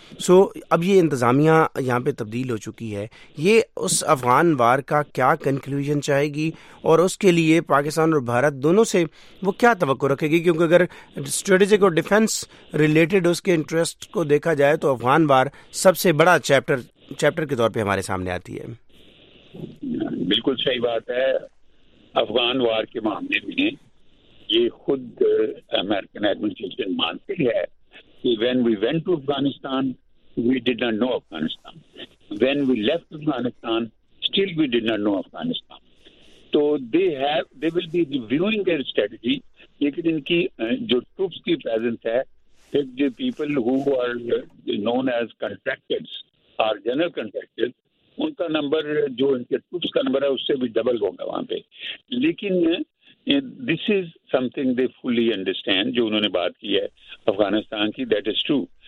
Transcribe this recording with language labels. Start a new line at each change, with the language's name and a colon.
Urdu: سو اب یہ انتظامیہ یہاں پہ تبدیل ہو چکی ہے, یہ اس افغان وار کا کیا کنکلوژن چاہے گی, اور اس کے لیے پاکستان اور بھارت دونوں سے وہ کیا توقع رکھے گی؟ کیونکہ اگر اسٹریٹجک اور ڈیفینس ریلیٹڈ اس کے انٹرسٹ کو دیکھا جائے تو افغان وار سب سے بڑا چیپٹر کے طور پہ ہمارے سامنے آتی ہے. بالکل صحیح بات ہے. افغان وار کے معاملے میں یہ خود امریکن ایڈمنسٹریشن مانتی ہے کہ
English: when we went to Afghanistan, we did not know Afghanistan. When we left Afghanistan, still we did not know Afghanistan. So they will be reviewing their strategy.
Urdu: لیکن ان کی جو ٹروپس کی پریزنس ہے, پھر جو
English: people who are known as contractors
Urdu: اور general contractors, ان کا number جو ان کے ٹروپس کا نمبر ہے اس سے بھی ڈبل ہوگا وہاں پہ.
English: لیکن this is something they fully understand,
Urdu: جو انہوں نے بات کی ہے افغانستان کی,
English: That is true.